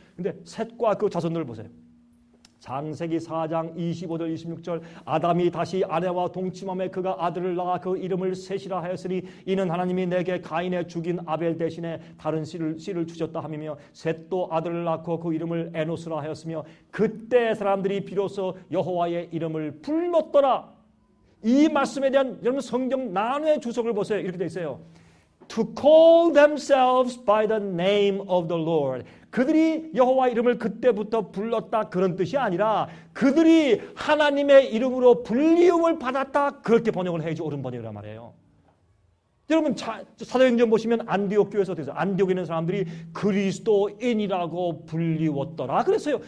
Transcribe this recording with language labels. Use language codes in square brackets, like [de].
[ko] 근데 셋과 그 자손들을 보세요. 창세기 4장 25절 26절 아담이 다시 아내와 동침함에 그가 아들을 낳아 그 이름을 셋이라 하였으니 이는 하나님이 내게 가인의 죽인 아벨 대신에 다른 씨를 주셨다 함이며 셋도 아들을 낳고 그 이름을 에노스라 하였으며 그때 사람들이 비로소 여호와의 이름을 불렀더라. 이 말씀에 대한 여러분 성경 난회 주석을 보세요. 이렇게 돼 있어요. [en] To call themselves by the name of the Lord. [ko] 그들이 여호와 이름을 그때부터 불렀다 그런 뜻이 아니라 그들이 하나님의 이름으로 불리움을 받았다 그렇게 번역을 해야지 옳은 번역이란 말이에요. 여러분 사도행전 보시면 안디옥 교회에서 돼서 안디옥에 있는 사람들이 그리스도인이라고 불리웠더라 그랬어요.